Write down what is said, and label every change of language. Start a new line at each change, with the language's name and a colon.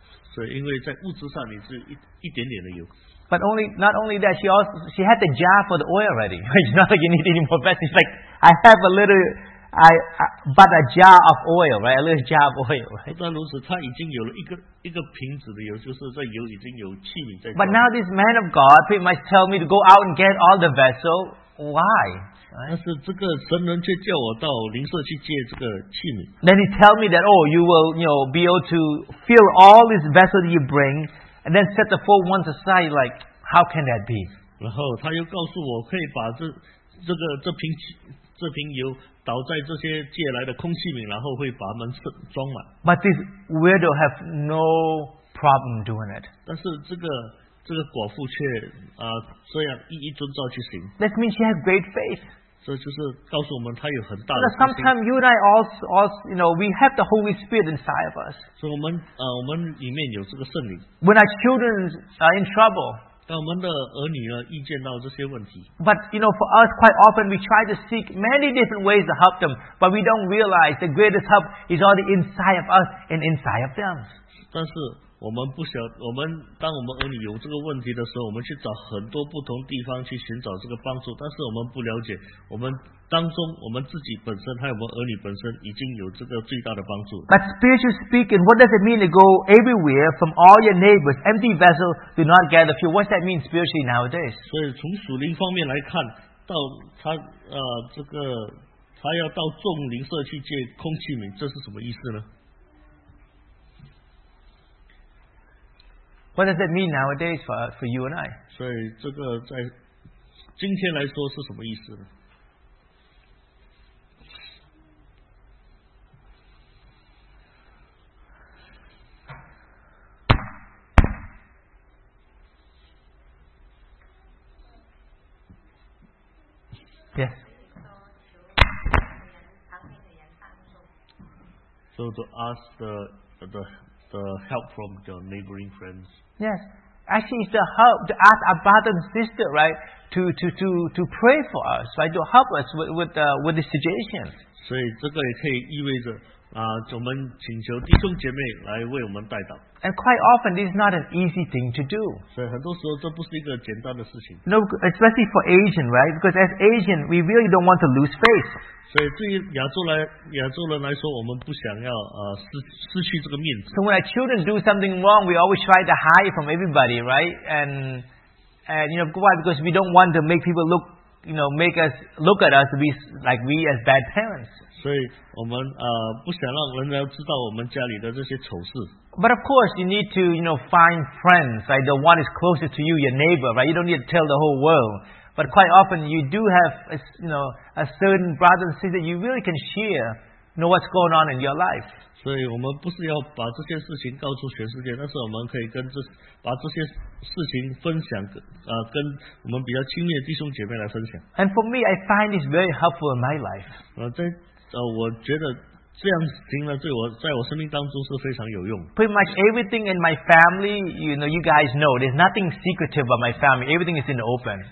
Chinese: 所以因为在物质上你是一点点的油。
English: But only, not only that, she had the jar for the oil ready. It's not like you need any more vessels. It's like, I have a little, but a jar of oil, right? A little jar of oil, right?
Chinese: 不但如此，她已经有了一个瓶子的油，就是这油已经有器皿在。
English: But now this man of God pretty much tell me to go out and get all the vessels. why?
Chinese: 但是这个神人却叫我到灵舍去借这个器皿。
English: Then he tell me that, oh, you will, you know, be able to fill all these vessels you bring, and then set the four ones aside. Like, how can that be?
Chinese: 然后他又告诉我，可以把这瓶油倒在这些借来的空器皿，然后会把它们装满。
English: But this widow have no problem doing it.
Chinese: 但是这个寡妇却这样一一遵照去行。
English: That means she has great faith.
Chinese: 这就是告诉我们她有很大的信心。
English: But sometimes you and I also, you know, we have the Holy Spirit inside of us.
Chinese: 所以我们里面有这个圣灵。
English: When our children are in trouble.
Chinese: 我们的儿女呢，遇见到这些问题。
English: But you know, for us, quite often we try to seek many different ways to help them, but we don't realize the greatest help is on the inside of us and inside of them.
Chinese: 但是我们不晓，我们当我们儿女有这个问题的时候，我们去找很多不同地方去寻找这个帮助，但是我们不了解我们当中我们自己本身还有我们儿女本身已经有这个最大的帮助。
English: But spiritually speaking, what does it mean to go everywhere from all your neighbors, empty vessels, do not gather few? What does that mean spiritually nowadays?
Chinese: 所以从属灵方面来看，到他这个他要到众灵舍去借空器皿，这是什么意思呢？
English: What does that mean nowadays for you and I?
Chinese: 所以这个在今天来说是什么意思呢？
English: Yes. So to ask the help from your neighboring friends. Yes, actually, it's the help to ask our brother and sister, right, to pray for us, right, to help us with the situation.
Chinese: 所以这个也可以意味着我们请求弟兄姐妹来为我们代祷。
English: And quite often, this is not an easy thing to do.
Chinese: 所以很多时候，这不是一个简单的事情。
English: No, especially for Asian, right? Because as Asian, we really don't want to lose face.
Chinese: 所以对于亚洲人来说，我们不想要失去这个面子。
English: So when our children do something wrong, we always try to hide from everybody, right? And you know why? Because we don't want to make people look, you know, make us look at us to be like we as bad parents.
Chinese: 所以我们不想让人家知道我们家里的这些丑事。
English: But of course, you need to, you know, find friends, right? The one is closest to you, your neighbor, right? You don't need to tell the whole world. But quite often, you do have, a certain brother and sister you really can share, you know, what's going on in your life.
Chinese: 所以我们不是要把这些事情告诉全世界，但是我们可以把这些事情分享跟我们比较亲密的弟兄姐妹来分享。
English: And for me, I find this very helpful in my life.
Chinese: 我觉得这样行呢，在我生命当中是非常有用。
English: Pretty much everything in my family, you know, you guys know, there's nothing secretive about my family. Everything is in the open.